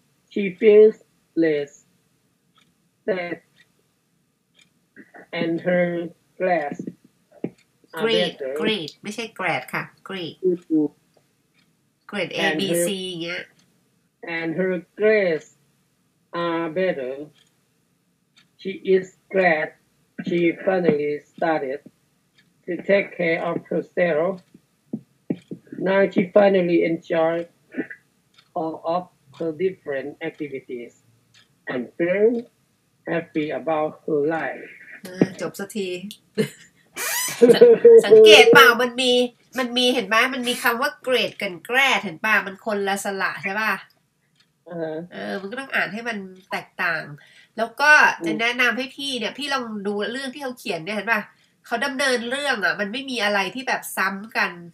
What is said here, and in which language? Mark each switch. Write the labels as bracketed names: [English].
[English] She feels restless that and her grades are better. Great, [Thai] ไม่ใช่ [English] grad ค่ะ great. Great A B C เงี้ย And her grades are better. She is glad she finally started to take care of herself. Now she finally enjoys all of her different activities and feels happy about her life. [Thai] จบสักทีสังเกตเปล่ามันมีเห็นไหมมันมีคำว่า great กับ grad เห็นป่ะมันคนละสระใช่ป่ะมันก็ต้องอ่านให้มันแตกต่างแล้วก็จะแนะนำให้พี่เนี่ยพี่ลองดูเรื่องที่เขาเขียนเนี่ยเห็นป่ะเขาดำเนินเรื่องอ่ะมันไม่มีอะไรที่แบบซ้ำกัน